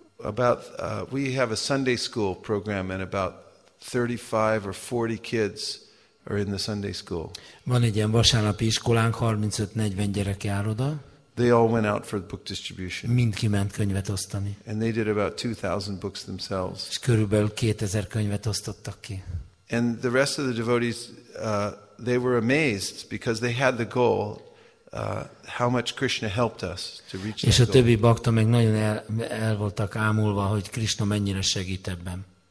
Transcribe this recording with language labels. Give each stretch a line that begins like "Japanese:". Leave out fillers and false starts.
English: About we have a Sunday school program and about 35 or 40 kids are in the Sunday school.
Hungarian: Van egy ilyen vasárnapi iskolánk, 35-40 gyerek jár oda.
English: They all went out for the book distribution.
Hungarian: Mind kiment könyvet osztani.
English: And they did about 2000 books themselves.
Hungarian: És körülbelül 2000 könyvet osztottak ki.
English: And the rest of the devotees they were amazed because they had the goal how much Krishna helped us to reach that goal.
Hungarian: És a többi bakta meg nagyon el voltak ámulva, hogy Krishna mennyire segít ebben.